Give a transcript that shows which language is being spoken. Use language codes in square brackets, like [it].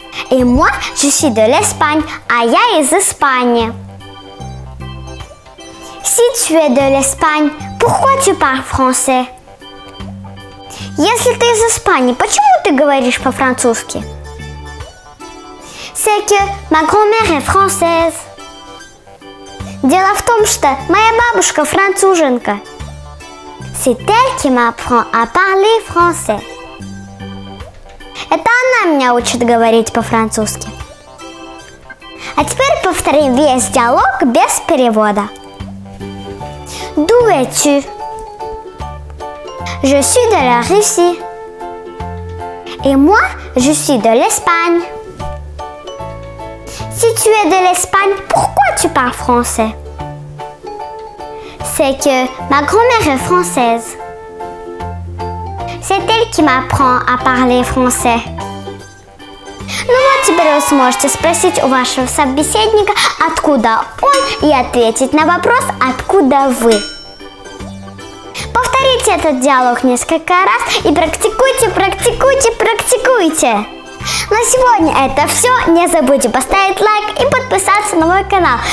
[fr] Et moi, je suis de l'Espagne. [ru] А я из Испании. [fr] Si tu es de l'Espagne, pourquoi tu parles français? [ru] Если ты из Испании, почему ты говоришь по-французски? [fr] C'est que ma grand-mère est française. [ru] Дело в том, что моя бабушка француженка. [fr] C'est elle qui m'apprend à parler français. [ru] Это она меня учит говорить по-французски. А теперь повторим весь диалог без перевода. [fr] D'où es-tu? Je suis de la Russie. Et moi, je suis de l'Espagne. Si tu es de l'Espagne, pourquoi tu parles français? C'est que ma grand-mère est française. C'est elle qui m'apprend à parler français. [ru] Ну вот, теперь вы сможете спросить у вашего собеседника, откуда он, и ответить на вопрос, откуда вы. Повторите этот диалог несколько раз и практикуйте. На сегодня это все. Не забудьте поставить лайк и подписаться на мой канал.